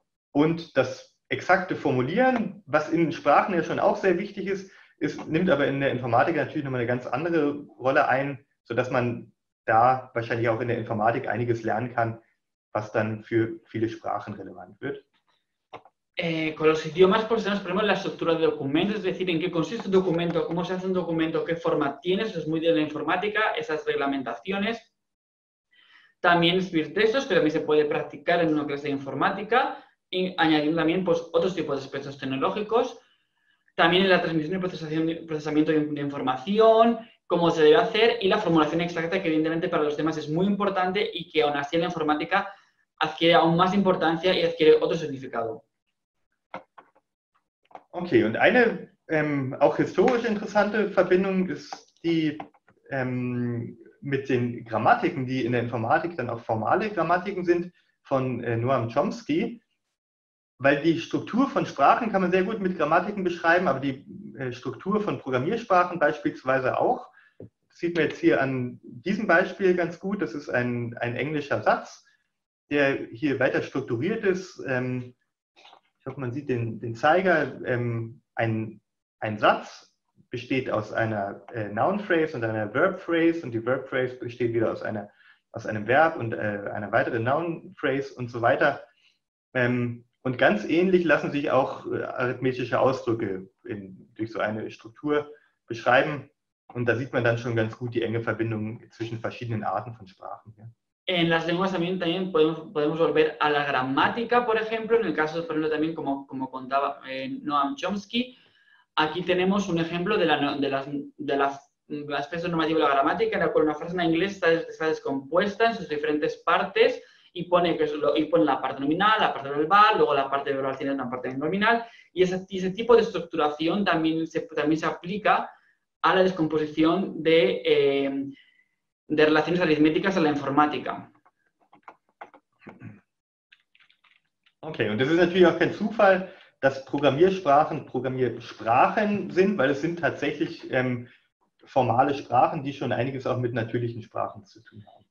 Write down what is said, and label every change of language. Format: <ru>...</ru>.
<de>Und das exakte Formulieren, was in Sprachen ja schon auch sehr wichtig ist, nimmt aber in der Informatik natürlich nochmal eine ganz andere Rolle ein, sodass man da wahrscheinlich auch in der Informatik einiges lernen kann, was dann für viele Sprachen relevant wird.</de> <es>Con los idiomas, pues tenemos por ejemplo la estructura de documentos, es decir, en qué consiste un documento, cómo se hace un documento, qué forma tiene, eso es muy de la informática, esas reglamentaciones. También escribir textos, que también se puede practicar en una clase de informática, y añadiendo también pues, otros tipos de aspectos tecnológicos. También en la transmisión y procesamiento de información, cómo se debe hacer, y la formulación exacta, que evidentemente para los temas es muy importante y que aún así en la informática adquiere aún más importancia y adquiere otro significado.</es> <de>Okay, und eine auch historisch interessante Verbindung ist die mit den Grammatiken, die in der Informatik dann auch formale Grammatiken sind, von Noam Chomsky. Weil die Struktur von Sprachen kann man sehr gut mit Grammatiken beschreiben, aber die Struktur von Programmiersprachen beispielsweise auch. Das sieht man jetzt hier an diesem Beispiel ganz gut. Das ist ein englischer Satz, der hier weiter strukturiert ist. Ich hoffe, man sieht den Zeiger. Ein Satz besteht aus einer Noun-Phrase und einer Verb-Phrase und die Verb-Phrase besteht wieder aus einem Verb und einer weiteren Noun-Phrase und so weiter. Und ganz ähnlich lassen sich auch arithmetische Ausdrücke durch so eine Struktur beschreiben. Und da sieht man dann schon ganz gut die enge Verbindung zwischen verschiedenen Arten von Sprachen. Ja.</de> <es>En las lenguas también podemos volver a la gramática, por ejemplo, en el caso, por ejemplo, también como contaba Noam Chomsky, aquí tenemos un ejemplo de la expresión normativa de la gramática, en la cual una frase en inglés está descompuesta en sus diferentes partes y pone la parte nominal, la parte verbal, luego la parte verbal tiene una parte nominal, y ese tipo de estructuración también se aplica a la descomposición de... de relaciones aritméticas en la informática.</es> <de>Okay, und es ist natürlich auch kein Zufall, dass Programmiersprachen Programmiersprachen sind, weil es sind tatsächlich formale Sprachen, die schon einiges auch mit natürlichen Sprachen zu tun haben.</de>